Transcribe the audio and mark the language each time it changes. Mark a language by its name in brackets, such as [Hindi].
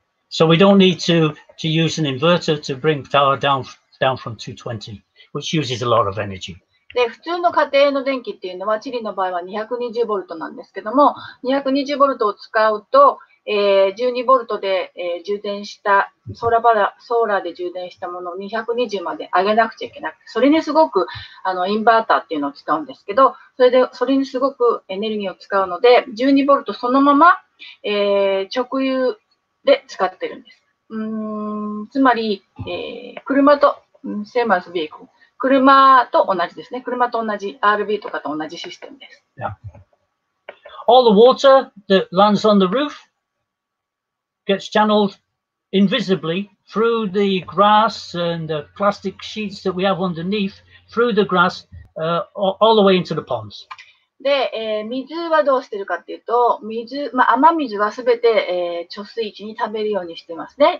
[English] So we don't need to use an inverter to bring power down from 220, which uses a lot of energy. [Japanese] で、普通の家庭の電気っていうのは、チリの場合は 220V なんですけども、220V を使うと、12V で、充電した、ソーラーで充電したものを220まで上げなくちゃいけなくて、それにすごく、インバーターっていうのを使うんですけど、それにすごくエネルギーを使うので、12V そのまま、直流、で使ってるんです。つまり、車と、 [English] same as vehicle。 [Japanese] 車と同じですね。車と同じ、RV とかと同じシステムです。 [English] Yeah. All the water that lands on the roof gets channeled invisibly through the grass and the plastic sheets that we have underneath, through the grass, all the way into the ponds. [Japanese] で、水はどうしてるかっていうと、雨水はすべて、貯水池に溜めるようにしてますね。